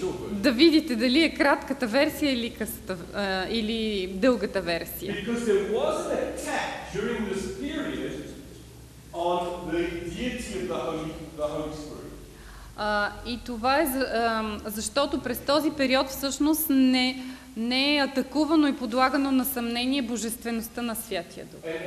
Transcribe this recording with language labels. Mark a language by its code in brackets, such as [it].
[bg] Да видите дали е кратката версия или, късата, или дългата версия. [en] Because there was an attack during this period on the deity of the Holy Spirit. [bg] И това е защото през този период всъщност не е атакувано и подлагано на съмнение божествеността на Святия Дух.